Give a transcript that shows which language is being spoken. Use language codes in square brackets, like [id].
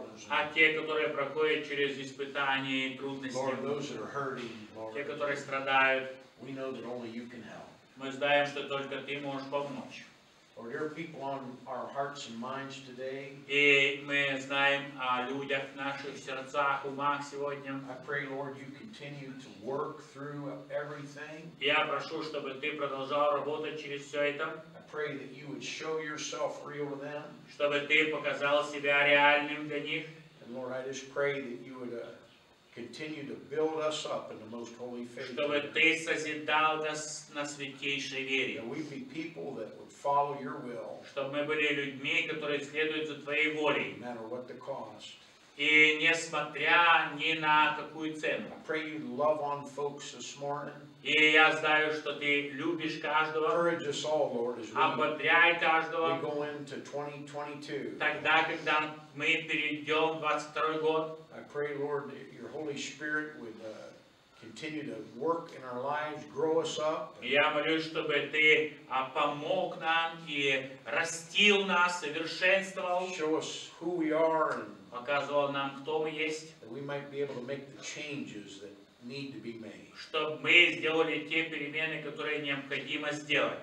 [ru] А те, которые проходят через испытания и трудности. Те, которые страдают. Мы знаем, что только Ты можешь помочь. [en] Lord, there are people on our hearts and minds today. [ru] И мы знаем о людях в наших сердцах, умах сегодня. [en] I pray, Lord, you continue to work through everything. [ru] Я прошу, чтобы ты продолжал работать через все это. [en] I pray that you would show yourself real to them. [ru] Чтобы ты показал себя реальным для них. [en] And Lord, I just pray that you would continue to build us up in the most holy faith. [ru] Чтобы ты созидал нас на святейшей вере. [en] That we'd be people that would follow your will. [ru] Чтобы мы были людьми, которые следуют за твоей волей. [en] No matter what the cost. [ru] И несмотря ни на какую цену. [en] I pray you'd love on folks this morning. [ru] И я знаю, что ты любишь каждого. [en] Encourage us all, Lord, as we go into 2022. [ru] Тогда, когда мы перейдем в 22 год. [en] I pray, Lord, that your Holy Spirit would continue to work in our lives, grow us up. [ru] Я молюсь, чтобы ты помог нам и растил нас, совершенствовал. [en] Show us who we are and [ru] показывал нам, кто мы есть. [en] That we might be able to make the changes that need to be made. [ru] Чтобы мы сделали те перемены, которые необходимо сделать.